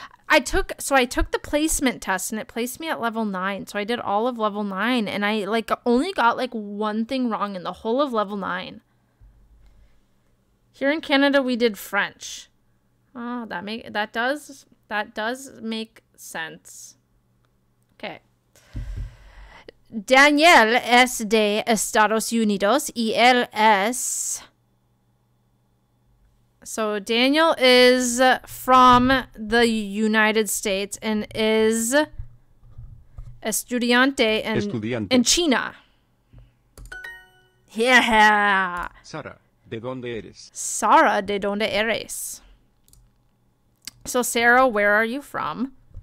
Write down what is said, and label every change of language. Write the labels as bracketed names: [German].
[English] I took the placement test and it placed me at level 9. So I did all of level 9 and I like only got like one thing wrong in the whole of level 9. Here in Canada, we did French. Oh, that does That does make sense. Okay. [Spanish] Daniel es de Estados Unidos y él es... [English] So Daniel is from the United States and is estudiante in China. Yeah. [Spanish] Sara, ¿de dónde eres? Sara, ¿de dónde eres? [English] So Sarah, where are you from?